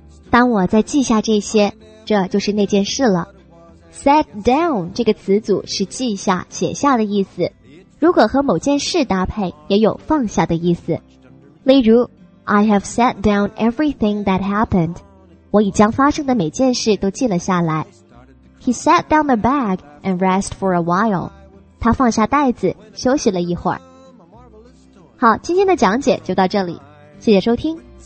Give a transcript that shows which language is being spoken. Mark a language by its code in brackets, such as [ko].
[zh] 当我再记下这些，这就是那件事了。Set down 这个词组是记下、写下的意思，如果和某件事搭配，也有放下的意思。例如 [en] I have set down everything that happened. [zh] 我已将发生的每件事都记了下来。 [en] He set down the bag and rest for a while. [zh] 他放下袋子，休息了一会儿。好，今天的讲解就到这里，谢谢收听。